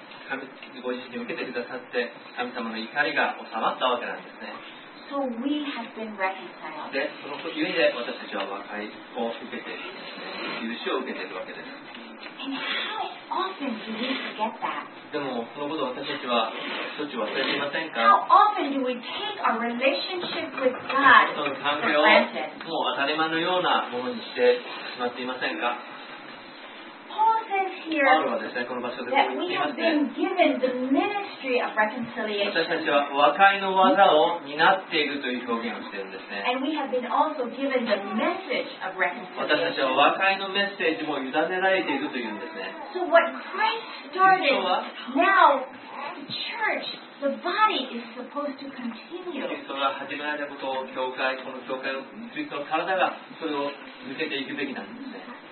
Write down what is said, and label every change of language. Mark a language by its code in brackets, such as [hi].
[ja] 神ご自身に受けてくださって、神様の怒りが収まったわけなんですね。 [en] So we have been reconciled. [ja] で、そのゆえで私たちは和解を受けて、許しを受けているわけです。 [en] And how often do we forget that? [ja] でもそのことを私たちは一つ忘れていませんか。 [en] How often do we take our relationship with God for granted? [ja] その関係をもう当たり前のようなものにしてしまっていませんか。 [en] Paul says here that we have been given the ministry of reconciliation. [ja] 私たちは和解の技を担っているという表現をしているんですね。 [en] And we have been also given the message of reconciliation. [ja] 私たちは和解のメッセージも委ねられているというんですね。 [en] So what Christ started, now the church, the body is supposed to continue. [ja] キリストが始められたことを教会、この教会のキリストの体がそれを抜けていくべきなんですね。